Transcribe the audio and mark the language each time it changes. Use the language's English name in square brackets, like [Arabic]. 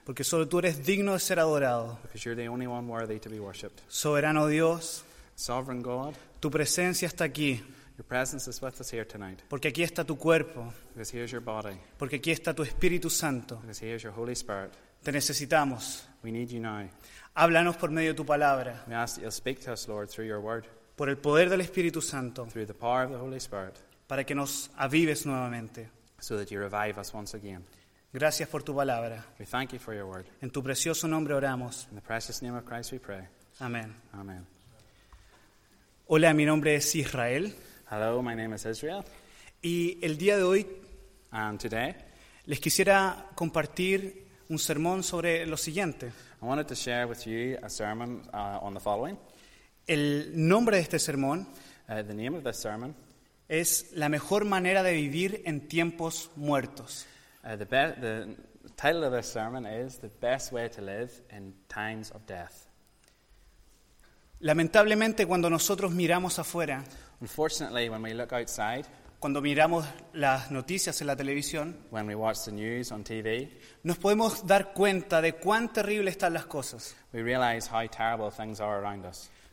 [Spanish] Porque solo tú eres digno de ser adorado. [English] Because you're the only one worthy to be worshipped. [Spanish] Soberano Dios. [English] Sovereign God. [Spanish] Tu presencia está aquí. [English] Your presence is with us here tonight. [Spanish] Porque aquí está tu cuerpo. [English] Because here's your body. [Spanish] Porque aquí está tu Espíritu Santo. [English] Because here's your Holy Spirit. [Spanish] Te necesitamos. [English] We need you now. [Spanish] Háblanos por medio de tu palabra. [English] We ask that you'll speak to us, Lord, through your word. [Spanish] Por el poder del Espíritu Santo. [English] Through the power of the Holy Spirit. [Spanish] Para que nos avives nuevamente. [English] So that you revive us once again. [Spanish] Gracias por tu palabra. [English] We thank you for your word. [Spanish] En tu precioso nombre oramos. [English] In the precious name of Christ we pray. [Spanish] Amén. [English] Amen. [Spanish] Hola, mi nombre es Israel. [English] Hello, my name is Israel. [Spanish] Y el día de hoy, [English] and today, [Spanish] les quisiera compartir un sermón sobre lo siguiente. [English] I wanted to share with you a sermon on the following. [Spanish] El nombre de este sermón, [English] the name of this sermon, [Spanish] es la mejor manera de vivir en tiempos muertos. [English] The title of this sermon is the best way to live in times of death. [Spanish] Lamentablemente, cuando nosotros miramos afuera, [English] unfortunately, when we look outside, [Spanish] cuando miramos las noticias en la televisión, [English] when we watch the news on TV, [Spanish] nos podemos dar cuenta de cuán terribles están las cosas. [English] We realize how terrible things are around us.